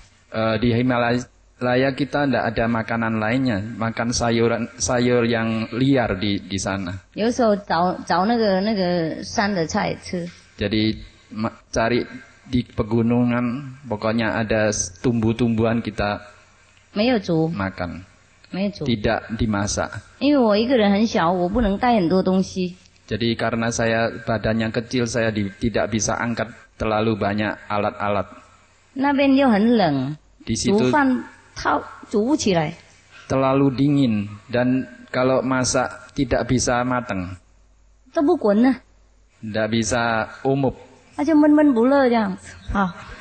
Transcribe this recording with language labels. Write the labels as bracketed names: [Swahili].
[Indonesian] Di Himalaya kita tidak ada makanan lainnya, makan sayuran sayur yang liar di sana. [Chinese] 有时候找那个山的菜吃。 [Indonesian] Jadi cari di pegunungan, pokoknya ada tumbuh-tumbuhan kita. [Chinese] 没有煮。 [Indonesian] Makan. [Chinese] 没有煮。 [Indonesian] Tidak dimasak. [Chinese] 因为我一个人很小，我不能带很多东西。 [Indonesian] Jadi karena saya badannya kecil, saya tidak bisa angkat terlalu banyak alat-alat. [Chinese] 那边又很冷。 [Indonesian] Di situ. [Chinese] 煮饭 它煮不起来。 [Indonesian] Terlalu dingin dan kalau masak tidak bisa matang. [Chinese] 都不滚呢。 [Indonesian] Tidak bisa umup. [Chinese] 那就闷闷不乐这样子。好。